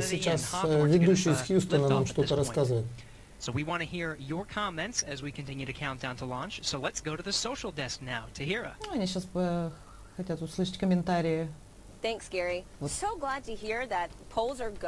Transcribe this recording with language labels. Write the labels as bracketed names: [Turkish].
[Russian] Сейчас ведущий из Хьюстона нам что-то рассказывает. [English] So we want to hear your comments as we continue to count down to launch. So let's go to the social desk now, Tahira. [Russian] Ну, они сейчас хотят услышать комментарии. [English] Thanks, Gary. So glad to hear that polls are go,